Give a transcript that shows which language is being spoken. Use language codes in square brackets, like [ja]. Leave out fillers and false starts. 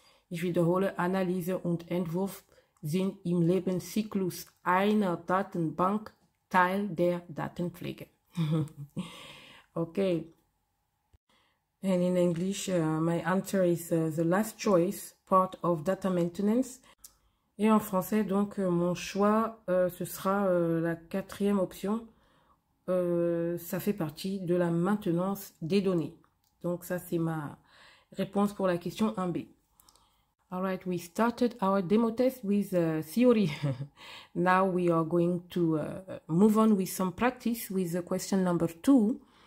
[de] Ich wiederhole, Analyse und Entwurf sind im Lebenszyklus einer Datenbank Teil der Datenpflege. [en] Okay. And in English, my answer is the last choice, part of data maintenance. [fr] Et en français, donc, mon choix, ce sera la quatrième option. Ça fait partie de la maintenance des données. Donc, ça, c'est ma réponse pour la question 1B. [en] All right, we started our demo test with theory. Now we are going to move on with some practice with the question number 2.